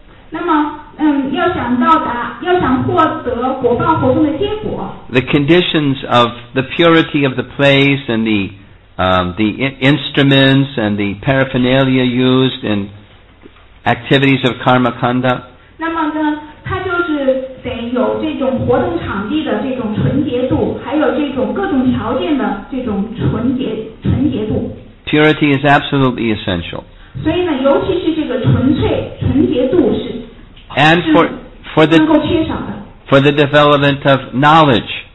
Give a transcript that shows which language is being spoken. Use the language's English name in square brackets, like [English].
[Chinese] 那么要想到达，要想获得果报活动的结果。 [English] The conditions of the purity of the place and the instruments and the paraphernalia used in activities of karma kanda. [Chinese] 那么呢，它就是得有这种活动场地的这种纯洁度，还有这种各种条件的这种纯洁度。 [English] Purity is absolutely essential. [Chinese] 所以呢，尤其是这个纯洁度是。 [English] And for the development of knowledge.